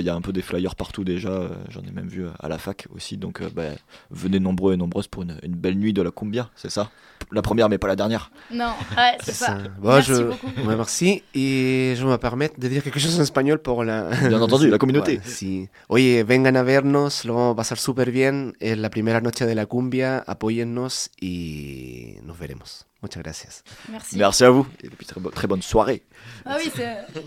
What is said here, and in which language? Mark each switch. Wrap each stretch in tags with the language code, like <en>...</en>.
<fr>Il y a un peu des flyers partout déjà. J'en ai même vu à la fac aussi. Donc venez nombreux et nombreuses pour une belle nuit de la cumbia, c'est ça ? La première, mais pas la dernière. Non, ouais, c'est ça. Bon, merci beaucoup. Ouais, merci. Et je me permets de dire quelque chose en espagnol pour la... Bien entendu, la communauté. Ouais,</fr> <es>si. Oye, vengan a vernos, lo vamos a pasar super bien. Es la primera noche de la cumbia. Apóyennos y nos veremos. Muchas gracias.</es> <fr>Merci. Merci à vous. Et puis très bonne soirée. Ah oui, c'est...</fr>